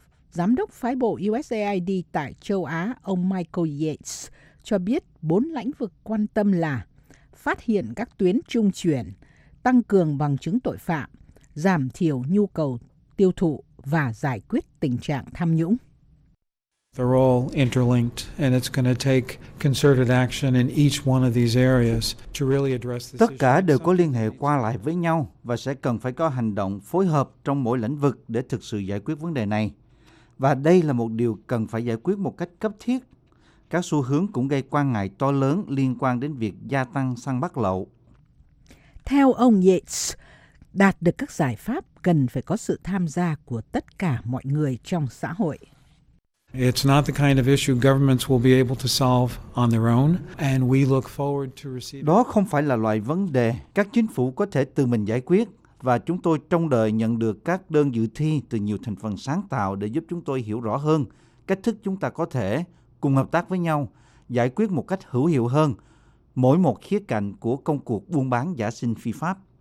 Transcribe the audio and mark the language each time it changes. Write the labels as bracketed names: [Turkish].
[Vietnamese] Giám đốc phái bộ USAID tại châu Á, ông Michael Yates, cho biết bốn lĩnh vực quan tâm là phát hiện các tuyến trung chuyển, tăng cường bằng chứng tội phạm, giảm thiểu nhu cầu tiêu thụ và giải quyết tình trạng tham nhũng. [English] They're all interlinked and it's going to take concerted action in each one of these areas to really address this. [Vietnamese] Tất cả đều có liên hệ qua lại với nhau và sẽ cần phải có hành động phối hợp trong mỗi lĩnh vực để thực sự giải quyết vấn đề này. Và đây là một điều cần phải giải quyết một cách cấp thiết. Các xu hướng cũng gây quan ngại to lớn liên quan đến việc gia tăng săn bắt lậu. Theo ông Yates, đạt được các giải pháp cần phải có sự tham gia của tất cả mọi người trong xã hội. [English] It's not the kind of issue governments will be able to solve on their own, and we look forward to receiving. [Vietnamese] Đó không phải là loại vấn đề các chính phủ có thể tự mình giải quyết, và chúng tôi trông đợi nhận được các đơn dự thi từ nhiều thành phần sáng tạo để giúp chúng tôi hiểu rõ hơn cách thức chúng ta có thể cùng hợp tác với nhau giải quyết một cách hữu hiệu hơn mỗi một khía cạnh của công cuộc buôn bán giả sinh phi pháp.